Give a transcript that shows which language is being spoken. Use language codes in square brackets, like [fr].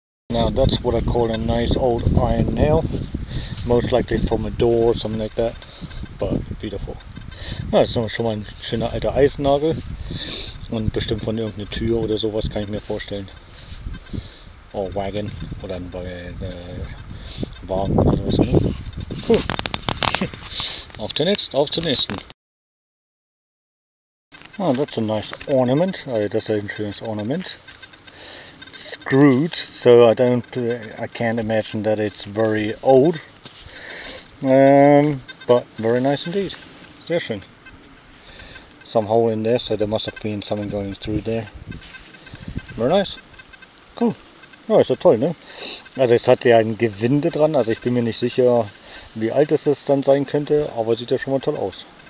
[en] Now that's what I call a nice old iron nail. Most likely from a door or something like that. But beautiful. [de] Ja, das ist schon mal ein schöner alter Eisennagel. Und bestimmt von irgendeiner Tür oder sowas kann ich mir vorstellen. [en] Or wagon. [de] Oder ein Wagen oder so. Cool. Auf den nächsten, auf den nächsten. [en] Oh, that's a nice ornament. [de] Das ist ein schönes Ornament. [en] Screwed, so I can't imagine that it's very old. But very nice indeed. [de] Sehr schön. [en] Some hole in there, so there must have been something going through there. Very nice. Cool. [de] Ja, ist ja toll, ne? Also es hat ja ein Gewinde dran, also ich bin mir nicht sicher, wie alt es dann sein könnte, aber sieht ja schon mal toll aus.